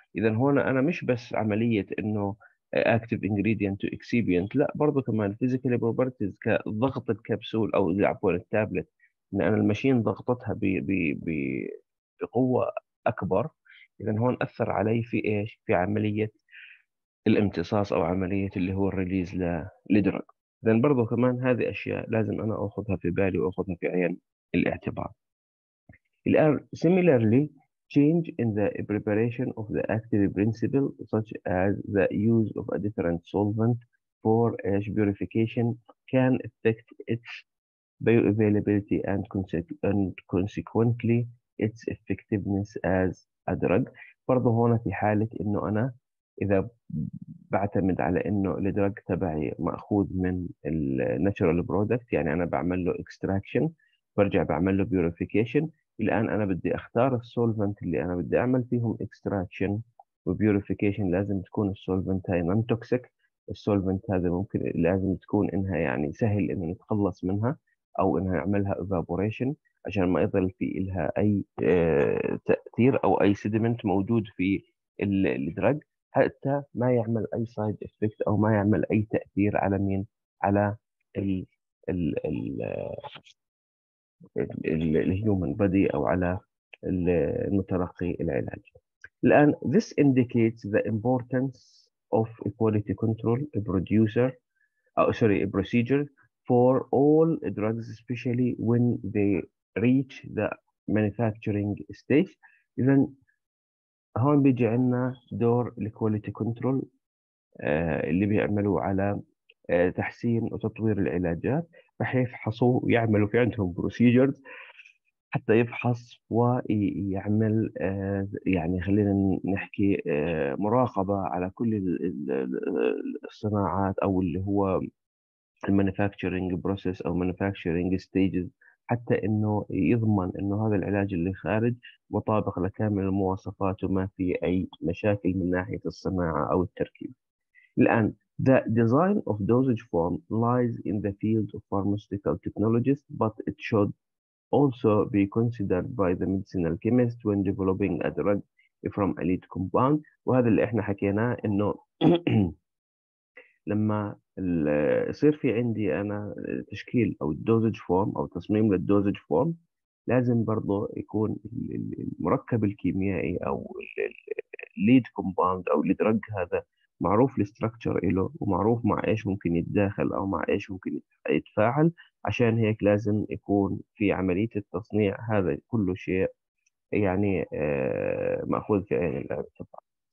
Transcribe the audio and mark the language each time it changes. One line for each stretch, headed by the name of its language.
Arabic: اذا هون انا مش بس عمليه انه اكتيف انجريدينت تو اكسيبينت، لا برضه كمان فيزيكال بروبرتيز كضغط الكبسول او عفوا التابلت، ان انا المشين ضغطتها بقوه اكبر، اذا هون اثر علي في ايش؟ في عمليه الامتصاص او عمليه اللي هو الريليز لدرج. اذا برضه كمان هذه اشياء لازم انا اخذها في بالي واخذها في عين الاعتبار.
English: الان similarly change in the preparation of the active principle such as the use of a different solvent for ash purification can affect its bioavailability and consequently its effectiveness as a drug.
Arabic: برضه هون في حالة انه انا اذا بعتمد على انه الدرج تبعي مأخوذ من الـ natural product، يعني انا بعمل له extraction برجع بعمل له purification، الآن أنا بدي أختار السولفنت اللي أنا بدي أعمل فيهم اكستراكشن وبيوريفيكيشن، لازم تكون السولفنت هاي نون توكسيك، السولفنت هذا ممكن لازم تكون إنها يعني سهل إنه نتخلص منها أو إنها نعملها ايفابوريشن عشان ما يظل في إلها أي تأثير أو أي سيديمنت موجود في الدرج حتى ما يعمل أي سايد افكت أو ما يعمل أي تأثير على مين؟ على ال ال ال الهيومن بادي او على المتلقي العلاج.
English: الان this indicates the importance of quality control a producer او sorry a procedure for all drugs especially when they reach the manufacturing stage.
Arabic: اذا هون بيجي عندنا دور الكواليتي كنترول اللي بيعملوا على تحسين وتطوير العلاجات، راح يفحصوا ويعملوا في عندهم بروسيجرز حتى يفحص ويعمل يعني خلينا نحكي مراقبة على كل الصناعات أو اللي هو المانيفاكتشرينج بروسيس أو مانيفاكتشرينج ستيجز، حتى إنه يضمن إنه هذا العلاج اللي خارج مطابق لكامل المواصفات وما في أي مشاكل من ناحية الصناعة أو التركيب.
English: الآن The design of dosage form lies in the field of pharmaceutical technologies, but it should also be considered by the medicinal chemist when developing a drug from a lead compound.
Arabic: وهذا اللي احنا حكيناه انه لما يصير في عندي انا تشكيل او dosage form او تصميم للdosage form لازم برضه يكون المركب الكيميائي او lead compound او الدرج هذا معروف الاستراكشر له ومعروف مع ايش ممكن يتداخل او مع ايش ممكن يتفاعل، عشان هيك لازم يكون في عمليه التصنيع هذا كل شيء يعني ماخوذ في عين الاعتبار.